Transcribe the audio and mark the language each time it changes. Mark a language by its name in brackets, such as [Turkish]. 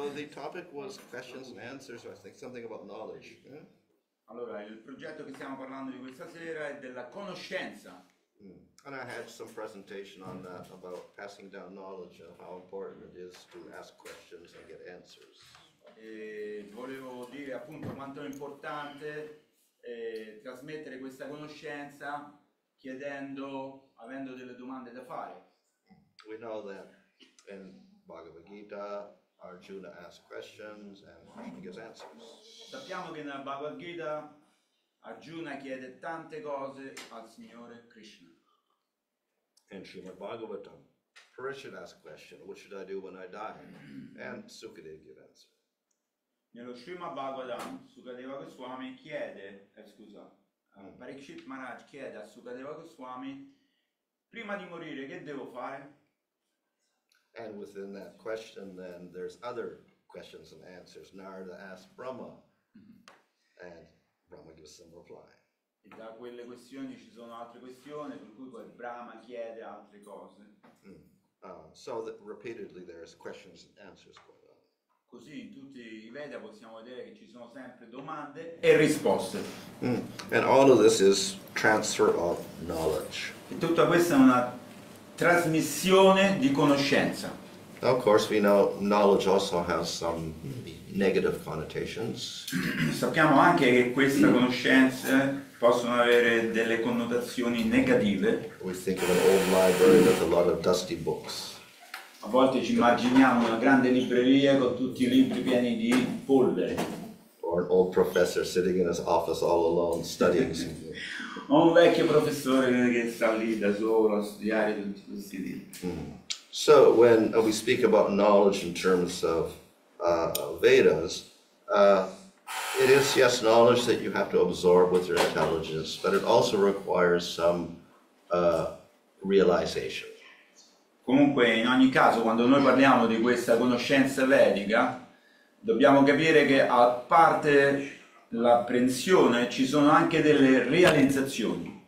[English] Topic was questions and answers, so I think something about knowledge. Yeah? [Italian] Allora, il progetto che stiamo parlando di questa sera è della conoscenza. Mm. [English] And I had some presentation on that about passing down knowledge and how important it is to ask questions and get answers. [Italian] E volevo dire appunto quanto è importante trasmettere questa conoscenza chiedendo, avendo delle domande da fare. [English] We know that in Bhagavad Gita Arjuna asks questions and Krishna gives answers. [Italian] Sappiamo che nella Bhagavad Gita Arjuna chiede tante cose al Signore Krishna. [English] In Srimad Bhagavatam, Parikshit asks a question, what should I do when I die? And Sukadeva gives answer. [Italian] Nello Srimad Bhagavatam, Sukadeva Goswami chiede, Parikshit Maharaj chiede a Sukadeva Goswami, prima di morire che devo fare? [English] And within that question, then there's other questions and answers. Narada asks Brahma, and Brahma gives some reply. [Italian] E da quelle questioni ci sono altre questioni, per cui poi Brahma chiede altre cose. [English] So that repeatedly there's questions and answers going on. [Italian] Così in tutti i Veda possiamo vedere che ci sono sempre domande e risposte. [English] And all of this is transfer of knowledge. [Italian] E tutta questa è una trasmissione di conoscenza. [English] Now, of course, we know knowledge also has some negative connotations. [Italian] Sappiamo anche che queste conoscenze possono avere delle connotazioni negative. [English] We think of an old library with a lot of dusty books. [Italian] A volte ci immaginiamo una grande libreria con tutti i libri pieni di polvere. [English] Or an old professor sitting in his office all alone studying something. [Italian] O un vecchio professore che sta lì da solo a studiare tutti questi libri. [English] So when we speak about knowledge in terms of Vedas, it is, yes, knowledge that you have to absorb with your intelligence, but it also requires some realization. [Italian] Comunque, in ogni caso, quando noi parliamo di questa conoscenza vedica, dobbiamo capire che a parte l'apprensione ci sono anche delle realizzazioni.